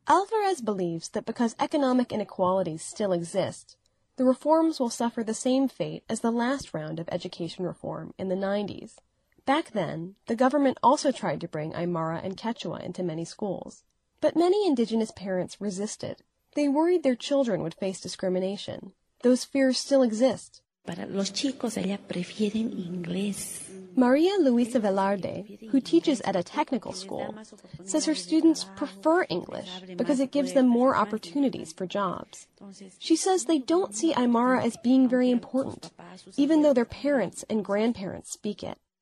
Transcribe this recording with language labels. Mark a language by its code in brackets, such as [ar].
[en] Alvarez believes that because economic inequalities still exist, the reforms will suffer the same fate as the last round of education reform in the 90s. Back then, the government also tried to bring Aymara and Quechua into many schools. But many indigenous parents resisted. They worried their children would face discrimination. Those fears still exist. [es] Para los chicos, ella prefieren inglés. [en] Maria Luisa Velarde, who teaches at a technical school, says her students prefer English because it gives them more opportunities for jobs. She says they don't see Aymara as being very important, even though their parents and grandparents speak it.